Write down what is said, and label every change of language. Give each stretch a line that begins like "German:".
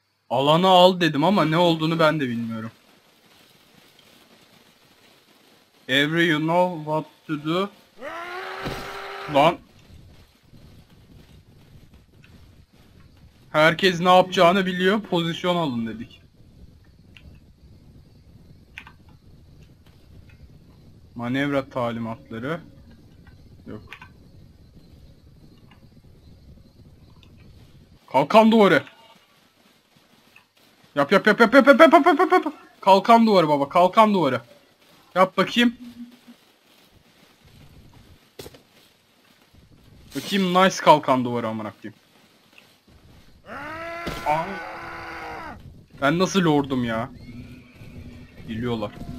Turkish: Alanı al dedim ama ne olduğunu ben de bilmiyorum.
English: Every you know what to do.
Turkish: Lan. Herkes ne yapacağını biliyor. Pozisyon alın dedik. Manevra talimatları. Yok. Kalkan duvarı. Yap yap yap yap yap yap yap yap yap yap yap. Kalkan duvarı baba, kalkan duvarı. Yap bakayım. Bakayım, nice kalkan duvarı amına koyayım. Ben nasıl lordum ya? Biliyorlar.